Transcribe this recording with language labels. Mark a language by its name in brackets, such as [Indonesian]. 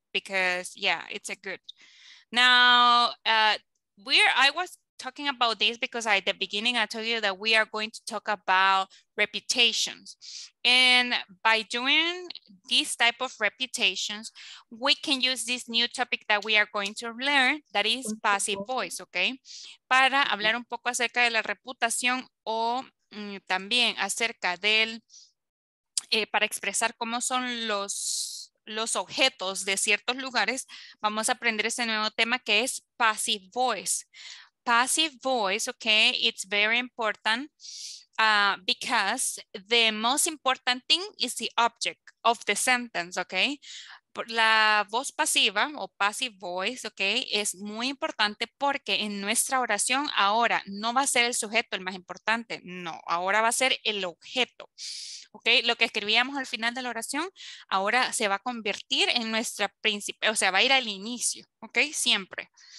[English] Because yeah, it's a good. Now, I was talking about this because at the beginning I told you that we are going to talk about reputations. And by doing this type of reputations, we can use this new topic that we are going to learn, that is passive voice, okay? [Spanish] Para hablar un poco acerca de la reputación o también acerca del... para expresar cómo son los objetos de ciertos lugares, vamos a aprender ese nuevo tema que es passive voice. [English] Passive voice, okay, it's very important because the most important thing is the object of the sentence, okay? [Spanish] la voz pasiva o passive voice, ok, es muy importante porque en nuestra oración ahora no va a ser el sujeto el más importante, no, ahora va a ser el objeto, ok, lo que escribíamos al final de la oración ahora se va a convertir en nuestra principal, o sea, va a ir al inicio, ok, siempre.